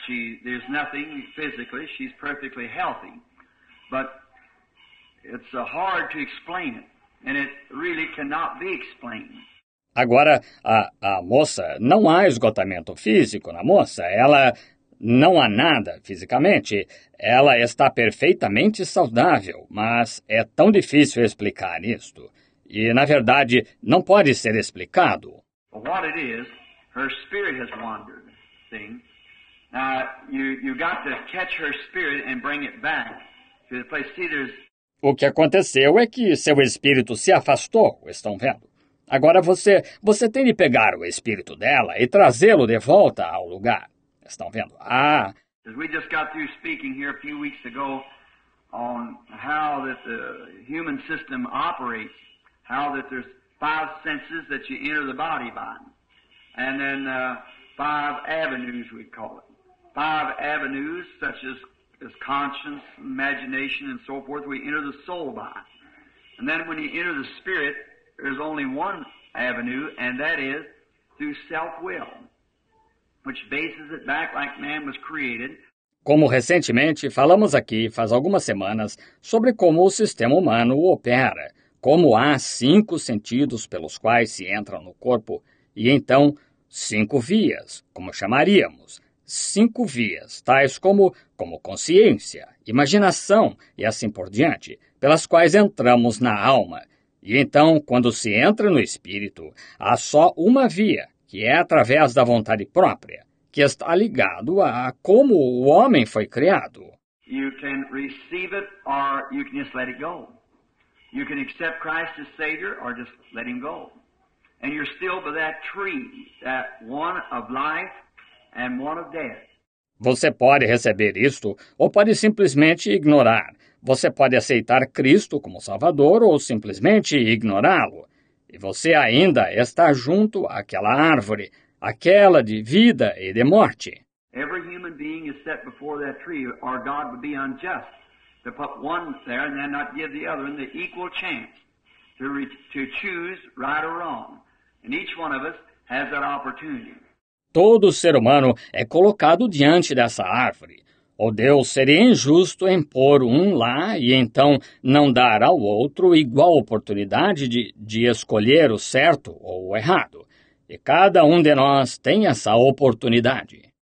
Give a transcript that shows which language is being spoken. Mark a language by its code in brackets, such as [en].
[en] There's nothing physically, she's perfectly healthy. But it's hard to explain it. And it really cannot be explained. [pt] Agora, a moça, não há esgotamento físico na moça. Ela não há nada fisicamente. Ela está perfeitamente saudável, mas é tão difícil explicar isto. E, na verdade, não pode ser explicado. [en] What it is, her spirit has wandered. See? You got to catch her spirit and bring it back to the place. See, there's... [pt] O que aconteceu é que seu espírito se afastou, estão vendo? Agora você tem de pegar o espírito dela e trazê-lo de volta ao lugar, estão vendo? Ah! [en] As we just got through speaking here a few weeks ago on how that the human system operates, how that there's five senses that you enter the body by, and then five avenues, we call it. Five avenues, such as as conscience, imagination, and so forth, we enter the soul by. And then when you enter the spirit, there's only one avenue, and that is through self-will, which bases it back like man was created. [pt] Como recentemente falamos aqui, faz algumas semanas, sobre como o sistema humano opera, como há cinco sentidos pelos quais se entra no corpo, e então cinco vias, como chamaríamos, cinco vias, tais como consciência, imaginação e assim por diante, pelas quais entramos na alma. E então, quando se entra no espírito, há só uma via, que é através da vontade própria, que está ligado a como o homem foi criado. [en] You can receive it or you can just let it go. You can accept Christ as Savior or just let him go. And you're still by that tree, that one of life. And one of death. [pt] Você pode receber isto ou pode simplesmente ignorar. Você pode aceitar Cristo como Salvador ou simplesmente ignorá-lo. E você ainda está junto àquela árvore, aquela de vida e de morte. [en] Every human being is set before that tree, or God would be unjust to put one there and then not give the other the equal chance to choose right or wrong. And each one of us has that opportunity. [pt] Todo ser humano é colocado diante dessa árvore. Ou Deus seria injusto em pôr um lá e então não dar ao outro igual oportunidade de escolher o certo ou o errado. E cada um de nós tem essa oportunidade.